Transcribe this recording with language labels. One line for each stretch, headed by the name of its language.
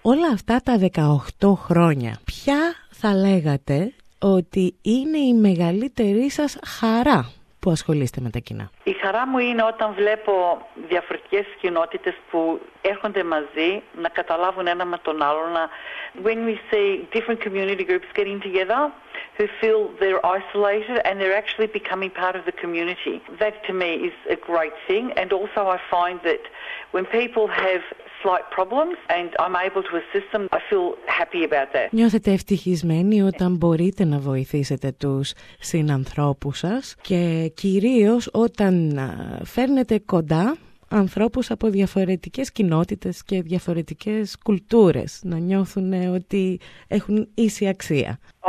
Greek: Όλα αυτά τα 18 χρόνια, ποια θα λέγατε ότι είναι η μεγαλύτερη σας χαρά που ασχολείστε με τα κοινά? Η χαρά μου είναι όταν βλέπω διαφορετικές κοινότητες που έρχονται μαζί να καταλάβουν ένα με τον άλλο.
English: When we see different community groups getting together who feel they're isolated and they're actually becoming part of the community, that to me is a great thing. And also I find that when people have slight problems and I'm able to assist them, I feel happy about that.
Greek: Νιώθετε ευτυχισμένοι όταν μπορείτε να βοηθήσετε τους συνανθρώπους σας και κυρίως όταν φέρνετε κοντά ανθρώπους από διαφορετικές κοινότητες και διαφορετικές κουλτούρες να νιώθουν ότι έχουν ίση αξία?